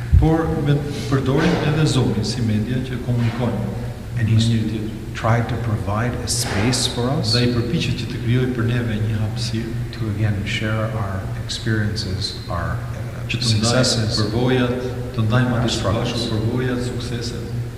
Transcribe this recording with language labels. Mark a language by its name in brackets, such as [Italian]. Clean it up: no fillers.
[Albanian] Por përdorim edhe Zoomin si media që komunikojmë. [English] And he tried to provide a space for us. [Albanian] Dhe I përpiqet që të krijojë për neve një hapësirë [English] to again share our experiences, our successes, [Albanian] përvojat, të ndajmë atë struggles, përvojat, sukseset.